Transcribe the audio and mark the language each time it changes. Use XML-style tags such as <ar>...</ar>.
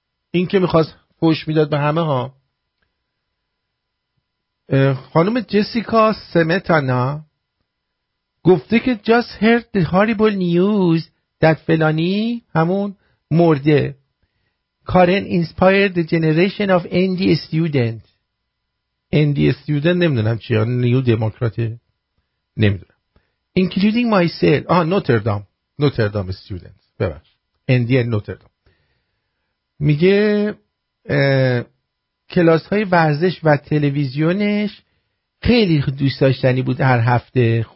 <fa>این که میخواست فحش میداد به همه ها. خانم جسیکا سمتانا گفته که</fa> <en>just heard the horrible news that</en> <fa>فلانی همون مرده.</fa> <en>Karen inspired the generation of ND student. ND student</en> <fa>نمیدونم چیه. نیو دموکرات نمیدونم.</fa> <en>Including myself.</en> <fa>آه نوتردام. نوتردام student. ببخش. ND نوتردام. میگه کلاس های ورزش و تلویزیونش خیلی دوست داشتنی بود هر هفته.</fa>